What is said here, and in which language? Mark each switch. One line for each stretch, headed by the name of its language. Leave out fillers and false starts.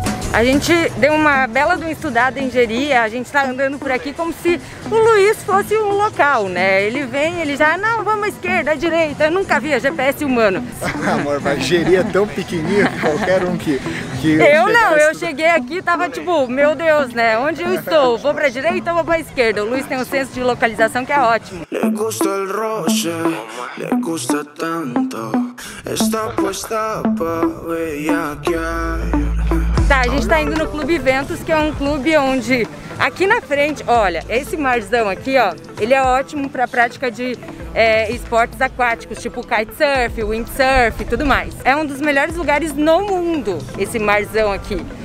Portuguese: A gente deu uma bela de uma estudada em Jeri, a gente tá andando por aqui como se o Luiz fosse um local, né? Ele vem, ele já, não, vamos à esquerda, à direita, eu nunca vi a GPS humano. Amor, mas Jeri é tão pequenininho que qualquer um que eu não, eu cheguei aqui e tava tipo, meu Deus, né? Onde eu estou? Vou pra direita ou vou pra esquerda? O Luiz tem um senso de localização que é ótimo.
Spanish: Le gusta el roche, le gusta tanto, está puesta pra bellaquear.
Portuguese: Tá, a gente tá indo no Clube Ventos, que é um clube onde aqui na frente, olha, esse marzão aqui, ó, ele é ótimo pra prática de esportes aquáticos, tipo kitesurf, windsurf e tudo mais. É um dos melhores lugares no mundo, esse marzão aqui.